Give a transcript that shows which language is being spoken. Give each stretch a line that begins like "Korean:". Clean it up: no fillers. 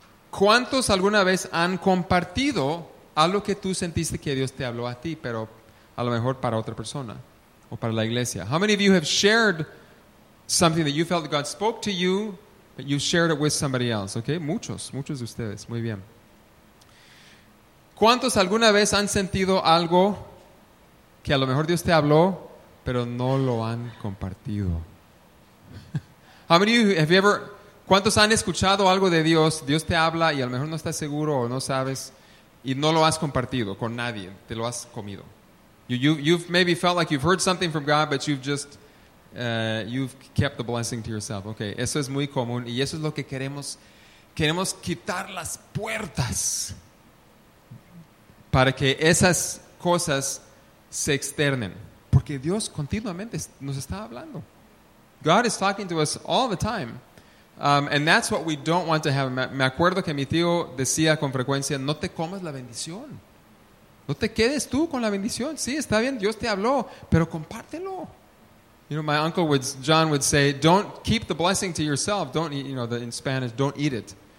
Spanish: ¿Cuántos alguna vez han compartido algo que tú sentiste que Dios te habló a ti, pero a lo mejor para otra persona o para la iglesia?
English: How many of you have shared something that you felt God spoke to you, but you shared it with somebody else?
Spanish: Okay? Muchos de ustedes. Muy bien. ¿Cuántos alguna vez han sentido algo que a lo mejor Dios te habló, pero no lo han compartido?
English: How many of you have you ever...
Spanish: ¿Cuántos han escuchado algo de Dios? Dios te habla y a lo mejor no estás seguro o no sabes y no lo has compartido con nadie. Te lo has comido.
English: You've maybe felt like you've heard something from God, but you've just... you've kept the blessing to yourself.
Spanish: Okay, eso es muy común y eso es lo que queremos. Queremos quitar las puertas para que esas cosas se externen. Porque Dios continuamente nos está hablando.
English: God is talking to us all the time. And that's what we don't want to have.
Spanish: Me acuerdo que mi tío decía con frecuencia, no te comas la bendición. No te quedes tú con la bendición. Sí, está bien, Dios te habló, pero compártelo.
English: You know, my uncle John would say, "Don't keep the blessing to yourself. Don't eat, you know, in Spanish, don't eat it.